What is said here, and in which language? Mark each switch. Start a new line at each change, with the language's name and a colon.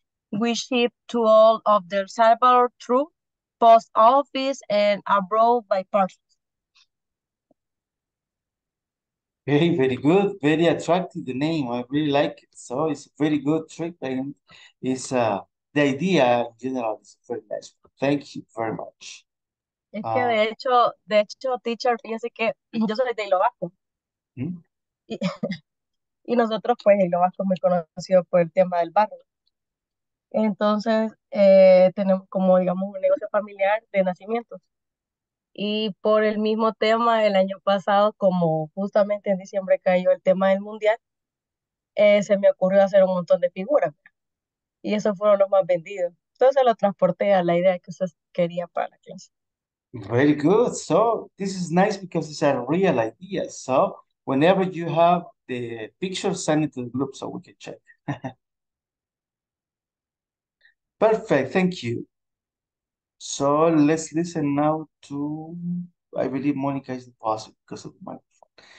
English: We ship to all of the Salvador through post office and abroad by parcel. Very, very good. Very attractive, the name. I really like it. So it's a very good trick. And it's the idea in general is very nice. Thank you very much.
Spanish: Es que de hecho, teacher, fíjese que yo soy de Hilo Bajo. Y nosotros, pues, Hilo Bajo me conoció por el tema del barro. Entonces, tenemos como, digamos, un negocio familiar de nacimientos. Y por el mismo tema, el año pasado, como justamente en diciembre cayó el tema del mundial, se me ocurrió hacer un montón de figuras. Y esos fueron los más vendidos. Entonces, lo transporté a la idea que usted quería para la clase.
English: Very good. So, this is nice because it's a real idea. So, whenever you have the picture, send it to the group so we can check. Perfect. Thank you. So, let's listen now to, I believe Monica is possible because of the microphone.